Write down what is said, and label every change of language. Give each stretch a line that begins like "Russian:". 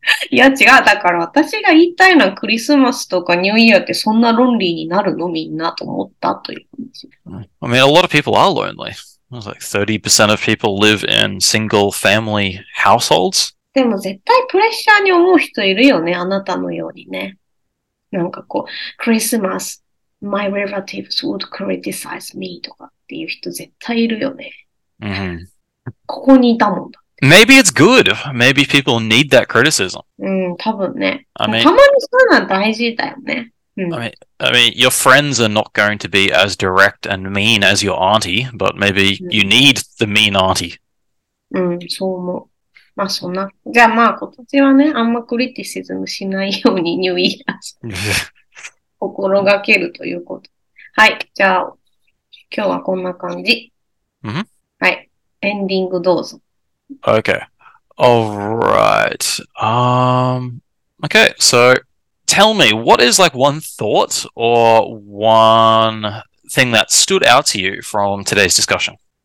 Japanese: いや違う、だから私が言いたいのはクリスマスとかニューイヤーってそんなロンリーになるのみんなと思ったという感じ。
English: I mean, a lot of people are lonely. It's like 30% of people live in single family households.
Japanese: でも絶対プレッシャーに思う人いるよね、あなたのようにね。なんかこう、クリスマス、
English: my relatives would criticize me
Japanese: とかっていう人絶対いるよね。 Mm-hmm. ここにいたもんだ。
English: Maybe it's good. Maybe people need that criticism.
Japanese: うん、多分ね。
English: I mean,
Japanese: たまにそういうのは大事だよね。うん、
English: I mean, your friends are not going to be as direct and mean as your auntie, but maybe you need the mean auntie.
Japanese: うん、そう思う。まあそんな。じゃあまあ今年はね、あんまクリティシズムしないようにニューイヤーズ。心がけるということ。はい、じゃあ今日はこんな感じ。 Mm-hmm. はい、エンディングどうぞ。
English: Okay. Alright. Okay, so tell me, what is like one thought or one thing that stood out to you from today's discussion?